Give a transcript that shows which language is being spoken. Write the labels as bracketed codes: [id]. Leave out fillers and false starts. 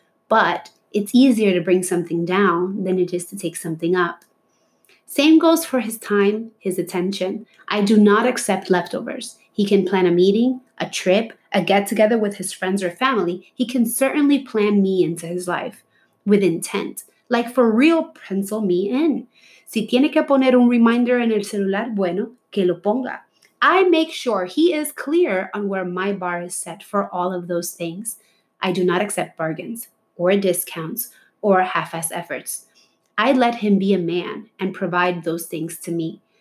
[en] But it's easier to bring something down than it is to take something up. Same goes for his time, his attention. I do not accept leftovers. He can plan a meeting, a trip, a get-together with his friends or family. He can certainly plan me into his life with intent. Like for real, pencil me in. [es] Si tiene que poner un reminder en el celular, bueno, que lo ponga. [en] I make sure he is clear on where my bar is set for all of those things. I do not accept bargains or discounts or half-ass efforts. I let him be a man and provide those things to me.